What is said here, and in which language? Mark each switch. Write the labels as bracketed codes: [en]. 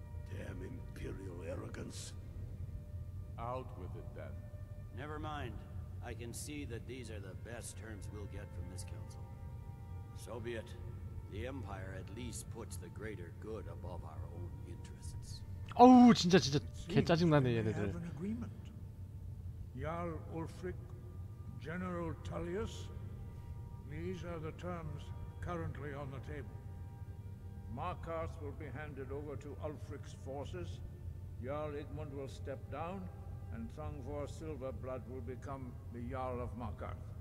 [en] Damn imperial arrogance. Out with it, then. Never mind. I can see that these are the best terms we'll get from this council. So be it. The Empire at least puts the greater good above our own interests. [ko] 어우, 진짜 개짜증나네, 얘네들. [en] Jarl Ulfric, General Tullius, these are the terms currently on the table. Markarth will be handed over to Ulfric's forces, Jarl Igmund will step down, and Thangvor Silverblood will become the Jarl of Markarth.